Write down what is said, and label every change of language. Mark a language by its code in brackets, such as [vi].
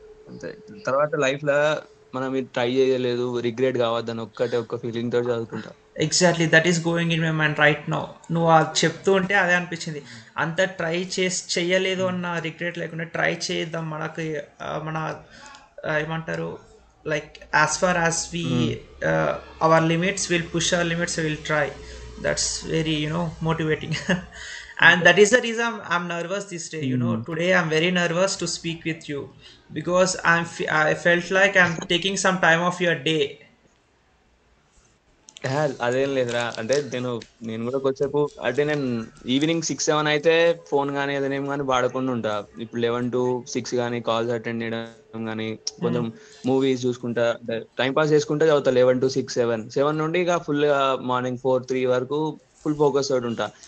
[te] అంతే, తర్వాత లైఫ్ లో మనం ట్రై చేయలేదు రిగ్రెట్ కావద్దని ఒక్కటే ఒక్క ఫీలింగ్ తో చదువుకుంటా. [en] Exactly, that is going in my mind right now. [te] నువ్వు అది చెప్తూ ఉంటే అదే అనిపించింది, అంత ట్రై చేయలేదు అన్న రిగ్రెట్ లేకుండా ట్రై చేద్దాం. మనకు మన ఏమంటారు, [en] like as far as we our limits, we'll push our limits, we'll try. That's very, you know, motivating. And that is the reason I'm nervous this day. You know, today I'm very nervous to speak with you because I felt like I'm taking some time off your day. [te] అదేం లేదురా, అంటే నేను నేను కూడా వచ్చేపు అంటే నేను evening 6-7 అయితే phone కానీ ఏదైనా కానీ వాడకుండా ఉంటా. ఇప్పుడు 11-6 కానీ కాల్స్ అటెండ్ చేయడం కానీ కొంచెం మూవీస్ చూసుకుంటా అంటే టైం పాస్ చేసుకుంటా చదువుతా. 11-6-7 నుండి ఇక ఫుల్ గా మార్నింగ్ 4-3 వరకు ఫుల్ ఫోకస్ తోటి ఉంటా.